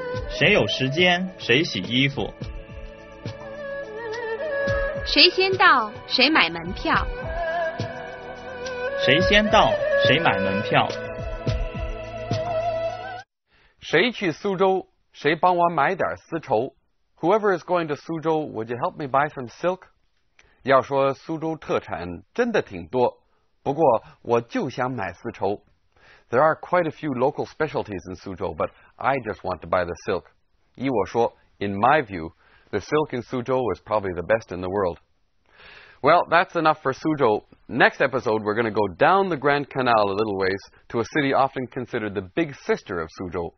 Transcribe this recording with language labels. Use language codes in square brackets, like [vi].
[zh] 谁有时间谁洗衣服。谁先到谁买门票。谁先到谁买门票。谁去苏州谁帮我买点丝绸。 [en] Whoever is going to Suzhou, would you help me buy some silk? [zh] 要说苏州特产真的挺多，不过我就想买丝绸。 [en] There are quite a few local specialties in Suzhou, but I just want to buy the silk. [zh] 依我说, [en] in my view, the silk in Suzhou is probably the best in the world. Well, that's enough for Suzhou. Next episode, we're going to go down the Grand Canal a little ways to a city often considered the big sister of Suzhou.